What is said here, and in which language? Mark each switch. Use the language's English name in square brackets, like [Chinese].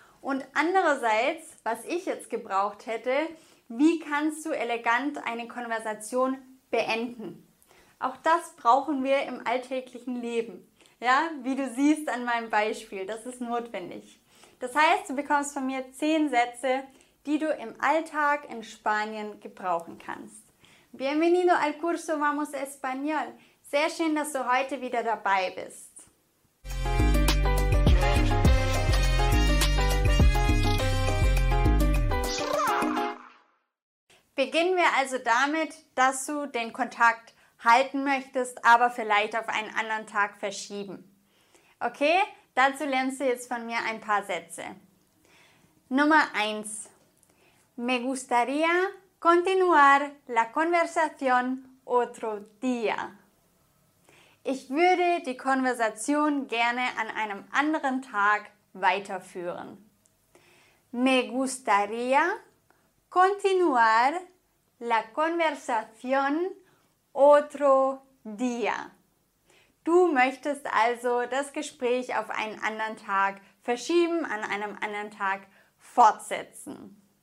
[German] Und andererseits, was ich jetzt gebraucht hätte, wie kannst du elegant eine Konversation beenden? Auch das brauchen wir im alltäglichen Leben. Ja, wie du siehst an meinem Beispiel, das ist notwendig. Das heißt, du bekommst von mir 10 Sätze, die du im Alltag in Spanien gebrauchen kannst. [Spanish] Bienvenido al curso Vamos Español. [German] Sehr schön, dass du heute wieder dabei bist. Beginnen wir also damit, dass du den Kontakt halten möchtest, aber vielleicht auf einen anderen Tag verschieben. Okay, dazu lernst du jetzt von mir ein paar Sätze. Nummer 1. [Spanish] Me gustaría continuar la conversación otro día. [German] Ich würde die Konversation gerne an einem anderen Tag weiterführen. [Spanish] Me gustaría continuar la conversación otro día. [German] Du möchtest also das Gespräch auf einen anderen Tag verschieben, an einem anderen Tag fortsetzen.